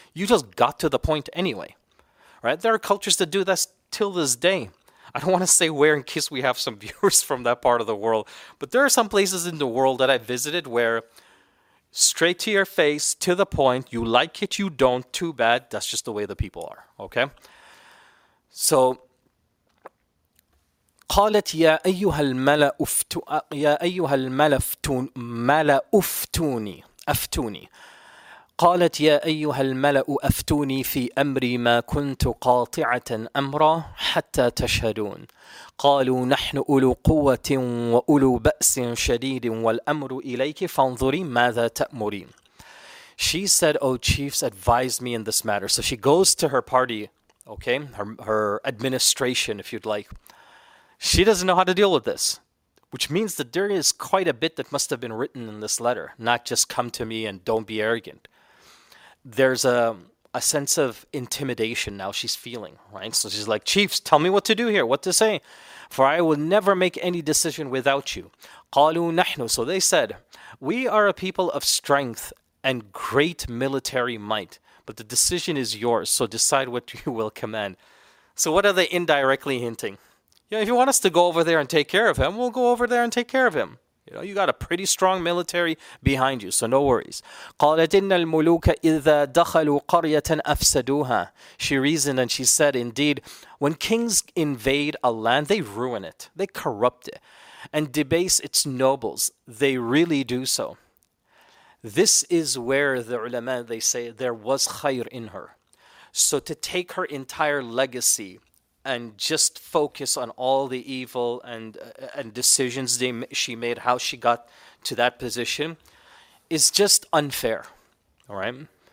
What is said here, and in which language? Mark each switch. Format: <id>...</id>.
<en>You just got to the point anyway, right? There are cultures that do this till this day. I don't want to say where in case we have some viewers from that part of the world, but there are some places in the world that I visited where straight to your face, to the point, you like it, you don't, too bad, that's just the way the people are, okay?</en> <ar>So, قالت يا أيها الملأ يا أيها الملأ ملأ أفتوني أفتوني قالت يا أيها الملأ أفتوني في أمري ما كنت قاطعة أمرا حتى تشهدون قالوا نحن أولو قوة وأولو بأس شديد والأمر إليك فانظري ماذا تأمرين.</ar> <en>She said, O chiefs, advise me in this matter. So she goes to her party, okay, her administration, if you'd like. She doesn't know how to deal with this, which means that there is quite a bit that must have been written in this letter, not just come to me and don't be arrogant. There's a sense of intimidation now she's feeling, right? So she's like, chiefs, tell me what to do here, what to say, for I will never make any decision without you.</en> <ar>قالوا نحن,</ar> <en>so they said, we are a people of strength and great military might, but the decision is yours, so decide what you will command. So what are they indirectly hinting? You know, if you want us to go over there and take care of him, we'll go over there and take care of him. You know, you got a pretty strong military behind you, so no worries.</en> <ar>قالت إن الملوك إذا دخلوا قرية أفسدوها.</ar> <en>She reasoned and she said, indeed, when kings invade a land, they ruin it, they corrupt it, and debase its nobles. They really do so. This is where the ulama, they say, there was khayr in her. So to take her entire legacy and just focus on all the evil and decisions she made, how she got to that position, is just unfair, all right?</en>